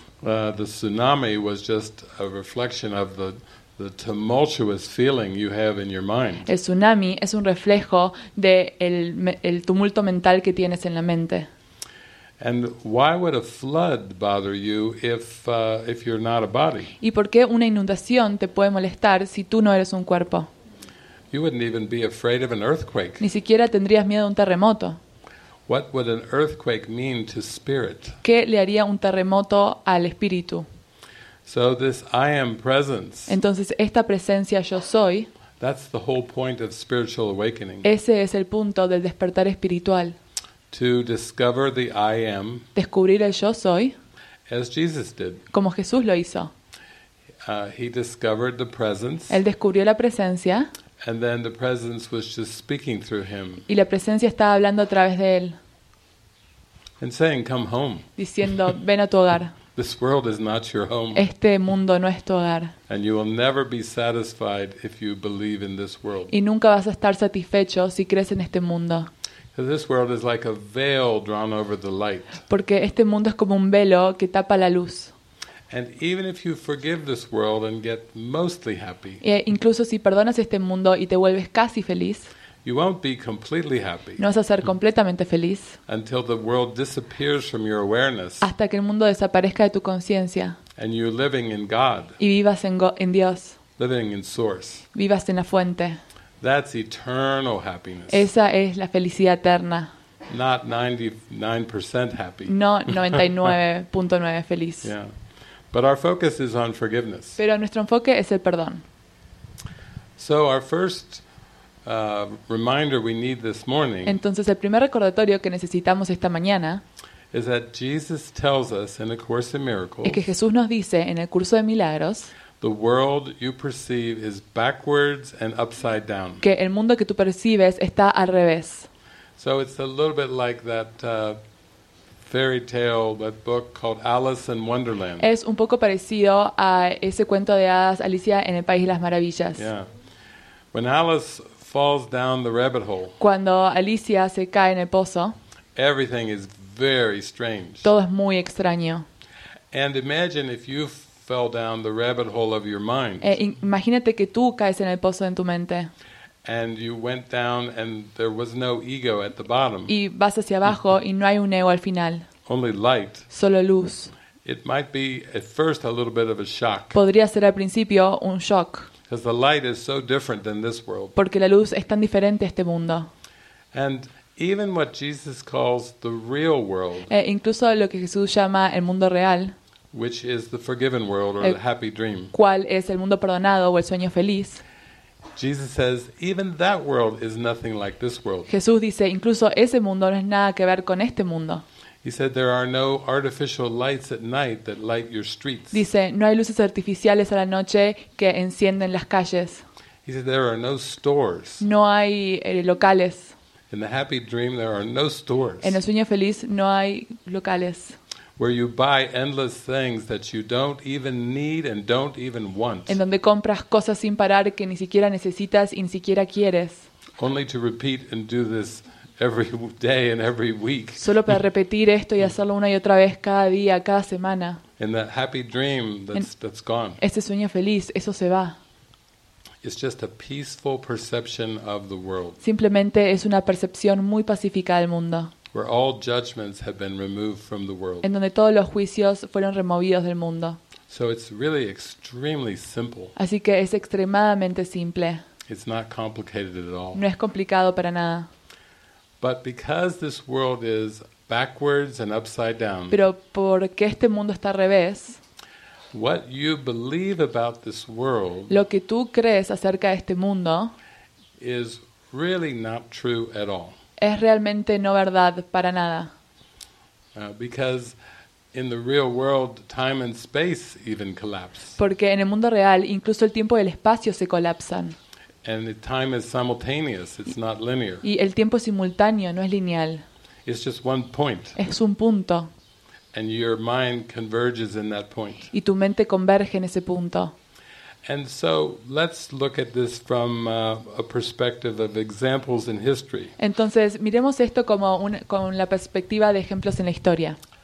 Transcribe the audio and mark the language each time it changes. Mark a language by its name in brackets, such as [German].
[English] The tsunami was just a reflection of the tumultuous feeling you have in your mind. [Spanish] El tsunami es un reflejo de el tumulto mental que tienes en la mente. [English] And why would a flood bother you if you're not a body? [Spanish] ¿Y por qué una inundación te puede molestar si tú no eres un cuerpo? [English] You wouldn't even be afraid of an earthquake. [Spanish] Ni siquiera tendrías miedo a un terremoto. [English] What would an earthquake mean to spirit? [Spanish] ¿Qué le haría un terremoto al espíritu? [English] So this I am presence. [Spanish] Entonces esta presencia yo soy. [English] That's the whole point of spiritual awakening. [Spanish] Ese es el punto del despertar espiritual. [English] To discover the I am. [Spanish] Descubrir el yo soy. [English] As Jesus did. [Spanish] Como Jesús lo hizo. [English] he discovered the presence. [Spanish] Él descubrió la presencia. [English] And then the presence was just speaking through him. [Spanish] Y la presencia estaba hablando a través de él. [English] And saying, "Come home." [Spanish] Diciendo, ven a tu hogar. [English] This world is not your home. [Spanish] Este mundo no es tu hogar. [English] And you will never be satisfied if you believe in this world. [Spanish] Y nunca vas a estar satisfecho si crees en este mundo. [English] Because this world is like a veil drawn over the light. [Spanish] Porque este mundo es como un velo que tapa la luz. [English] And even if you forgive this world and get mostly happy. [Spanish] E incluso si perdonas este mundo y te vuelves casi feliz. [English] You won't be completely happy. [Spanish] No vas a ser completamente feliz. [English] Until the world disappears from your awareness. [Spanish] Hasta que el mundo desaparezca de tu conciencia. [English] And you're living in God. [Spanish] Y vivas en Dios. [English] Living in source. [Spanish] Vivas en la fuente. [English] That's eternal happiness. [Spanish] Esa es la felicidad eterna. [English] Not 99% happy. [Spanish] No 99.9 feliz. [English] Yeah. But our focus is on forgiveness. [Spanish] Pero nuestro enfoque es el perdón. [English] So our first reminder we need this morning. [Spanish] Entonces el primer recordatorio que necesitamos esta mañana [English] is that Jesus tells us in A Course in Miracles. [Spanish] Es que Jesús nos dice en el curso de milagros. [English] The world you perceive is backwards and upside down. [Spanish] Que el mundo que tú percibes está al revés. [English] So it's a little bit like that fairy tale, that book called Alice in Wonderland. [Spanish] Es un poco parecido a ese cuento de hadas Alicia en el País de las Maravillas. [English] Yeah. When Alice falls down the rabbit hole. [Spanish] Cuando Alicia se cae en el pozo. [English] Everything is very strange. [Spanish] Todo es muy extraño. [English] And imagine if you fell down the rabbit hole of your mind. [Spanish] Imagínate que tú caes en el pozo en tu mente. [English] And you went down and there was no ego at the bottom. [Spanish] Y vas hacia abajo y no hay un ego al final. [English] Only light. [Spanish] Solo luz. [English] It might be at first a little bit of a shock. [Spanish] Podría ser al principio un shock. [English] Because the light is so different than this world. [Spanish] Porque la luz es tan diferente a este mundo. [English] And even what Jesus calls the real world. [Spanish] Incluso lo que Jesús llama el mundo real. [English] Which is the forgiven world or the happy dream. [Spanish] ¿Cuál es el mundo perdonado o el sueño feliz? [English] Jesus says even that world is nothing like this world. [Spanish] Jesús dice incluso ese mundo no es nada que ver con este mundo. [English] He said there are no artificial lights at night that light your streets. [Spanish] Dice no hay luces artificiales a la noche que encienden las calles. [English] He said there are no stores. [Spanish] No hay locales. [English] In the happy dream there are no stores. [Spanish] En el sueño feliz no hay locales. [English] Where you buy endless things that you don't even need and don't even want. [Spanish] En donde compras cosas sin parar que ni siquiera necesitas y ni siquiera quieres. [English] Only to repeat and do this every day and every week. [Spanish] Solo para repetir esto y hacerlo una y otra vez cada día, cada semana. [English] In that happy dream that's gone. [Spanish] Ese sueño feliz, eso se va. [English] It's just a peaceful perception of the world. [Spanish] Simplemente es una percepción muy pacífica del mundo. [English] Where all judgments have been removed from the world. [Spanish] En donde todos los juicios fueron removidos del mundo. [English] So it's really extremely simple. [Spanish] Así que es extremadamente simple. [English] It's not complicated at all. [Spanish] No es complicado para nada. [English] But because this world is backwards and upside down. [Spanish] Pero porque este mundo está al revés. [English] What you believe about this world. [Spanish] Lo que tú crees acerca de este mundo. [English] Is really not true at all. [Spanish] Es realmente no verdad para nada. [English] Because in the real world, time and space even collapse. [Spanish] Porque en el mundo real, incluso el tiempo y el espacio se colapsan. [English] And the time is simultaneous, it's not linear. [Spanish] Y el tiempo es simultáneo, no es lineal. [English] It's just one point. [Spanish] Es un punto. [English] And your mind converges in that point. [Spanish] Y tu mente converge en ese punto. [English] And so let's look at this from a perspective of examples in history. [Spanish] Entonces miremos esto como con la perspectiva de ejemplos en la historia.